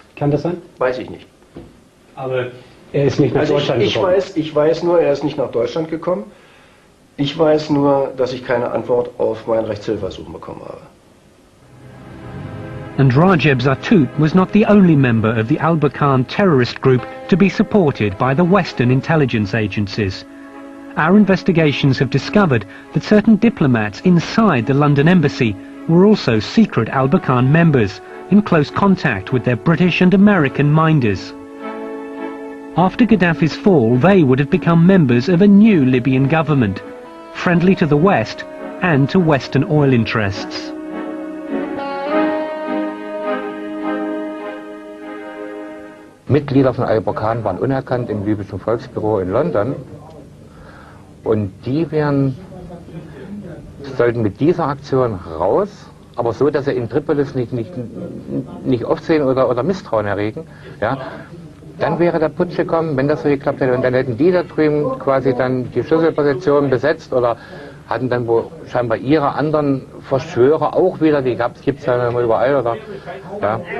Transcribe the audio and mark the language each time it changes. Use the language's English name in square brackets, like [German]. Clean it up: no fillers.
[German] Kann das sein? Weiß ich nicht. Aber er ist nicht nach Deutschland gekommen. Ich weiß nur, er ist nicht nach Deutschland gekommen. Ich weiß nur, dass ich keine Antwort auf mein Rechtshilfersuchen bekommen habe. [English] And Rajib Zatout was not the only member of the Alba Khan terrorist group to be supported by the Western intelligence agencies. Our investigations have discovered that certain diplomats inside the London embassy were also secret Alba Khan members, in close contact with their British and American minders. After Gaddafi's fall, they would have become members of a new Libyan government, friendly to the West and to Western oil interests. [German] Mitglieder von Alba Khan waren unerkannt im libyschen Volksbüro in London und die sollten mit dieser Aktion raus, aber so, dass sie in Tripolis nicht aufsehen oder Misstrauen erregen, ja, dann wäre der Putsch gekommen, wenn das so geklappt hätte und dann hätten die da drüben quasi dann die Schlüsselposition besetzt oder hatten dann wohl scheinbar ihre anderen Verschwörer auch wieder, die gibt es ja überall oder, ja.